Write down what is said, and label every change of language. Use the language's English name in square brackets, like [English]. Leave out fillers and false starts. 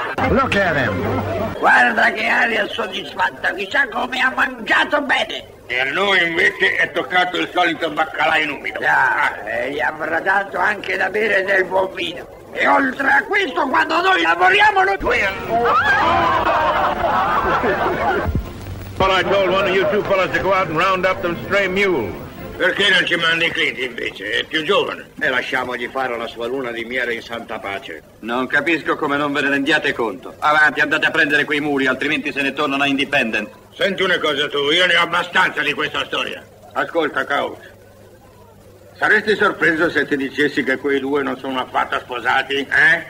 [English] Look at him! [Italian] Guarda che aria soddisfatta! Chissà come ha mangiato bene! E a noi invece è toccato il solito baccalà in umido. Già, e gli avrà dato anche da bere del buon vino. E oltre a questo, quando noi lavoriamo, lo... [English] Well, I told one of you two fellas to go out and round up them stray mules. [Italian] Perché non ci mandi Clint invece? È più giovane. E lasciamogli fare la sua luna di miele in santa pace. Non capisco come non ve ne rendiate conto. Avanti, andate a prendere quei muri, altrimenti se ne tornano a Independent. Senti una cosa tu, io ne ho abbastanza di questa storia. Ascolta, Couch. Saresti sorpreso se ti dicessi che quei due non sono affatto sposati, eh?